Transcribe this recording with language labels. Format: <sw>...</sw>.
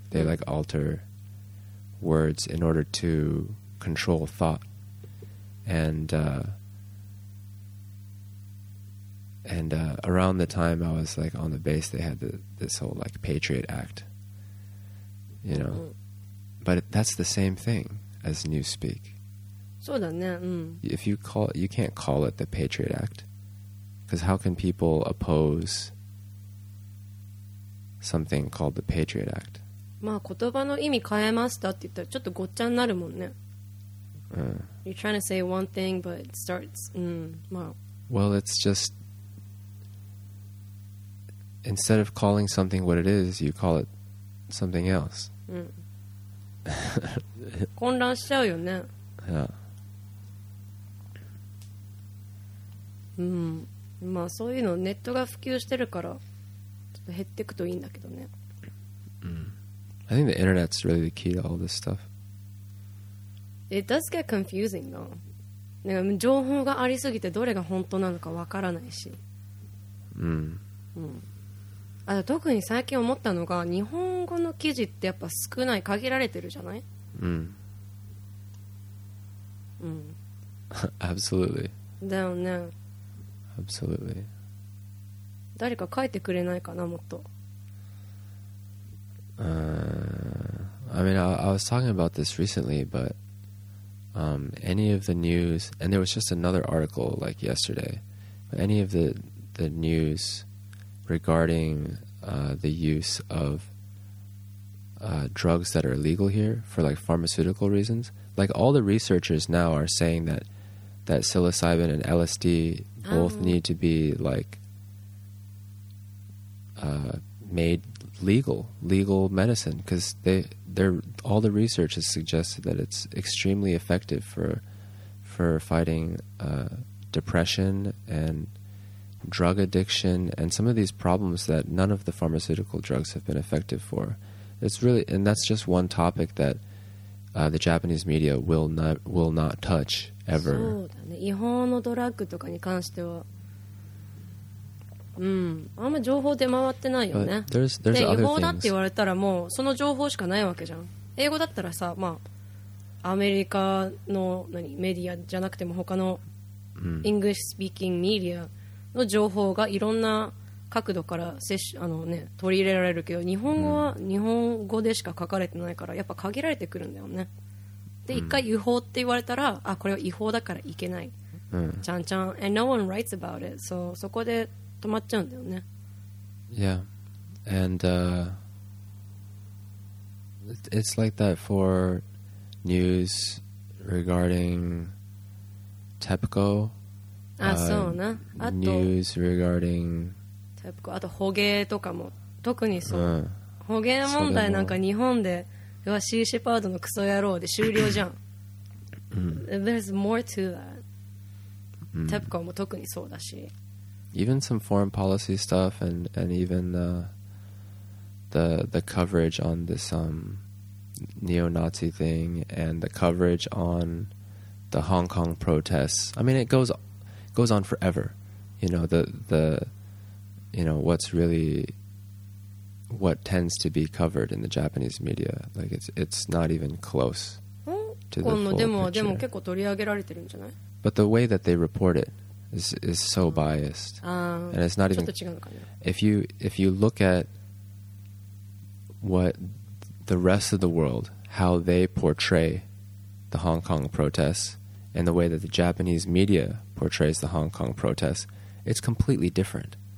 <en>They like alter words in order to control thought, and around the time I was like on the base, they had this whole like Patriot Act, you know, but that's the same thing. As newspeak.</en> <ja>そうだね、</ja> <en>If you call it, you can't call it the Patriot Act. Because how can people oppose something called the Patriot Act?</en> <ja>まあ言葉の意味変えましたって言ったらちょっとごっちゃになるもんね。</ja> <en>You're trying to say one thing, but it starts, Well, it's just, instead of calling something what it is, you call it something else. Yeah. Yeah.</en> <ja>まあそういうのネットが普及してるからちょっと減ってくといいんだけどね。うん、</ja> <en>I think the internet's really the key to all this stuff. It does get confusing though.</en> <ja>なんか情報がありすぎてどれが本当なのかわからないし。うん。うん。あ、特に最近思ったのが日本語の記事ってやっぱ少ない、限られてるじゃない？うん。うん。</ja> <en>Absolutely.</en> <ja>だよね。</ja> <en>Absolutely.</en> <ja>誰か書いてくれないかな、もっと。</ja> <en>I mean, I was talking about this recently, but any of the news, and there was just another article like yesterday, but any of the news regarding the use of drugs that are illegal here for like pharmaceutical reasons, like all the researchers now are saying that psilocybin and LSD both need to be like made legal medicine, because they're all the research has suggested that it's extremely effective for fighting depression and drug addiction and some of these problems that none of the pharmaceutical drugs have been effective for. It's really, and that's just one topic that the Japanese media will not touch ever.</en> <ja>うん、あんま情報出回ってないよね。で、違法だって言われたらもうその情報しかないわけじゃん。英語だったらさ、まあアメリカの何メディアじゃなくても他の</ja> <en>English speaking media</en> <ja>の情報がいろんな角度から接種あの、ね、取り入れられるけど、日本語は日本語でしか書かれてないからやっぱ限られてくるんだよね。で、一回違法って言われたら、あ、これは違法だからいけない、ちゃんちゃん、</ja> <en>and no one writes about it、</en> <ja>so、そこで止まっちゃうんだよね。</ja> <en>Yeah. And it's like that for news regarding TEPCO.</en> <ja>あ、そうな。あと</ja> <en>news regarding</en> <ja>TEPCO、 あと捕鯨とかも特にそう、捕鯨問題なんか日本で、うわ、シーシェパードのクソ野郎で終了じゃん。</ja> <en>There's more to that、</en> <ja>TEPCO も特にそうだし、</ja> <en>even some foreign policy stuff and even the coverage on this neo-Nazi thing and the coverage on the Hong Kong protests. I mean, it goes on forever. You know, the what's really what tends to be covered in the Japanese media. Like it's not even close to the full</en> <ja>でも結構取り上げられてるんじゃない？</ja> <en>But the way that they report it is so biased. And it's not even, if you look at what the rest of the world, how they portray the Hong Kong protests and the way that the Japanese media portrays the Hong Kong protests, it's completely different.</en>